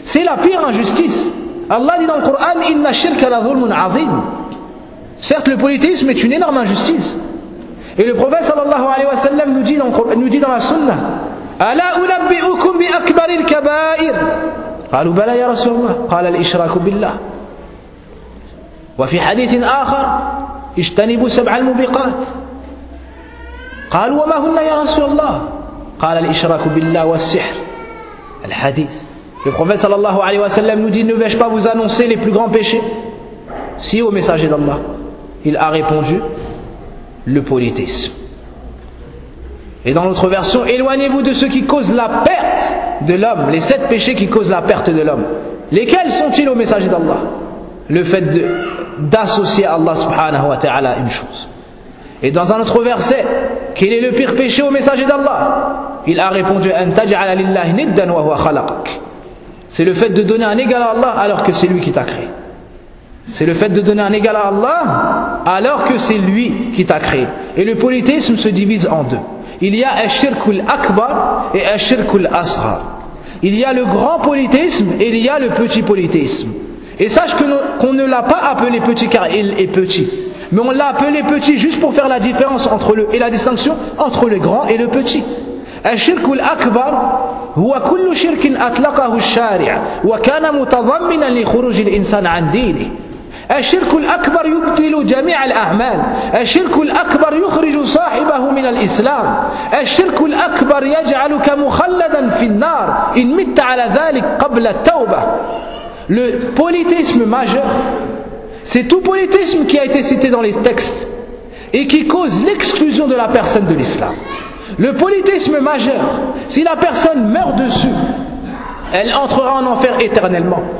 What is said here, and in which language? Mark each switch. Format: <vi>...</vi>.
<fr>C'est la pire injustice. Allah dit dans le Coran,</fr> <ar>إِنَّ الشِّرْكَ لَظُلْمٌ عَظِيمٌ.</ar> <fr>Certes, le polythéisme est une énorme injustice. Et le prophète sallallahu alayhi wa sallam nous dit dans la sunnah,</fr> <ar>أَلَا أُنَبِّئُكُمْ بِأَكْبَرِ الْكَبَائِرِ. قَالُوا بَلَا يَا رَسُولَ اللَّهِ قَالَ الْإِشْرَاكُ بِاللَّهِ. وفي حديث آخر اجتنبوا سبع الموبقات قالوا وما هن يا رسول الله قال الإشراك بالله والسحر.</ar> <fr>الحديث le prophète sallallahu alayhi wa sallam nous dit, ne vais-je pas vous annoncer les plus grands péchés? Si, au messager d'Allah. Il a répondu, le polythéisme. Et dans l'autre version, éloignez-vous de ceux qui causent la perte de l'homme, les sept péchés qui causent la perte de l'homme. Lesquels sont-ils au messager d'Allah? Le fait d'associer Allah subhanahu wa ta'ala une chose. Et dans un autre verset, quel est le pire péché au messager d'Allah? Il a répondu,</fr> <ar>antaj'ala lillahi niddan wa huwa khalaqak.</ar> <fr>C'est le fait de donner un égal à Allah alors que c'est lui qui t'a créé. C'est le fait de donner un égal à Allah alors que c'est lui qui t'a créé. Et le polythéisme se divise en deux. Il y a ash-shirkul akbar et ash-shirkul asghar. Il y a le grand polythéisme et il y a le petit polythéisme. Et sache qu'on ne l'a pas appelé petit car il est petit. Mais on l'a appelé petit juste pour faire la différence entre le et la distinction entre le grand et le petit.</fr> <ar>الشرك الأكبر هو كل شرك أطلقه الشارع وكان متضمنا لخروج الإنسان عن دينه. الشرك الأكبر يبطل جميع الأعمال. الشرك الأكبر يخرج صاحبه من الإسلام. الشرك الأكبر يجعلك مخلدا في النار إن مت على ذلك قبل التوبة.</ar> <fr>Le polythéisme majeur, c'est tout polythéisme qui a été cité dans les textes et qui cause l'exclusion de la personne de l'islam. Le polythéisme majeur, si la personne meurt dessus, elle entrera en enfer éternellement.</fr>